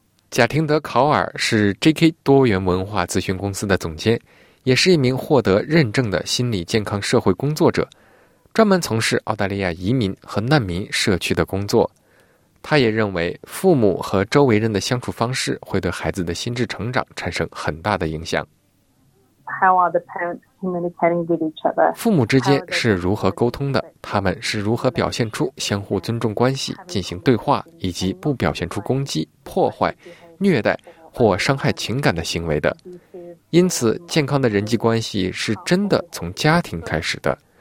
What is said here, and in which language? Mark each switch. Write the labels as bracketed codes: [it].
[zh] 贾廷德·考尔是 JK 多元文化咨询公司的总监，也是一名获得认证的心理健康社会工作者，专门从事澳大利亚移民和难民社区的工作。他也认为父母和周围人的相处方式会对孩子的心智成长产生很大的影响。 [en] How are the parents communicating with each other? [zh] 父母之间是如何沟通的？他们是如何表现出相互尊重关系，进行对话，以及不表现出攻击、破坏、虐待或伤害情感的行为的？因此，健康的人际关系是真的从家庭开始的。